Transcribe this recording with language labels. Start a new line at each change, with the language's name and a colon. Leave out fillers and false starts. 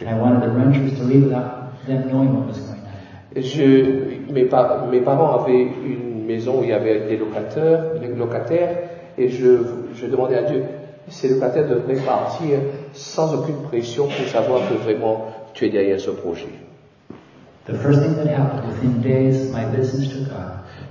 English: and I wanted the renters to leave without them knowing what was going on.
French: Mes parents avaient une maison où il y avait des locataires, et je demandais à Dieu, ces locataires devraient partir sans aucune pression pour savoir que vraiment tu es derrière ce projet.
English: The first thing that happened within days, my business took off.